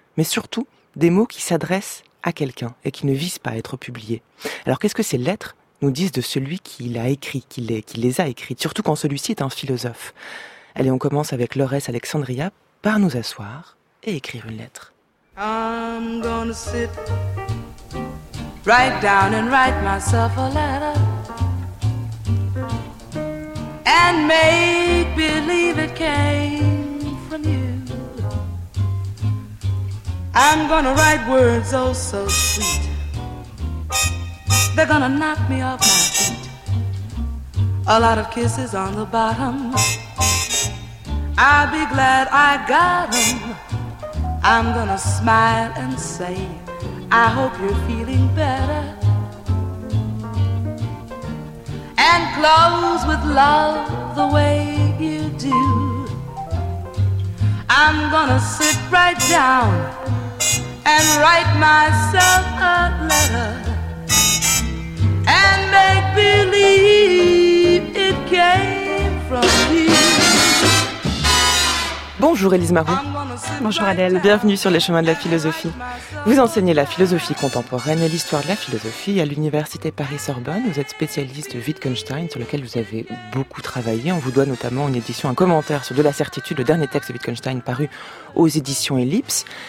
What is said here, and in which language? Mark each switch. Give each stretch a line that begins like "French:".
French: Mais surtout, des mots qui s'adressent à quelqu'un et qui ne visent pas à être publiés. Alors qu'est-ce que ces lettres nous disent de celui qui l'a écrit, qui les a écrites, surtout quand celui-ci est un philosophe? Allez, on commence avec Laurès Alexandria par nous asseoir et écrire une lettre.
English: I'm gonna sit right down and write myself a letter and make believe it came from you. I'm gonna write words oh so sweet. They're gonna knock me off my feet. A lot of kisses on the bottom. I'll be glad I got 'em. I'm gonna smile and say, I hope you're feeling better. And close with love the way you do. I'm gonna sit right down and write myself a letter and make believe it came from you.
French: Bonjour Élise Marou. Bonjour Adèle. Bienvenue sur les chemins de la philosophie. Vous enseignez la philosophie contemporaine et l'histoire de la philosophie à l'université Paris-Sorbonne. Vous êtes spécialiste de Wittgenstein, sur lequel vous avez beaucoup travaillé. On vous doit notamment une édition, un commentaire sur De la certitude, le dernier texte de Wittgenstein paru aux éditions Ellipse.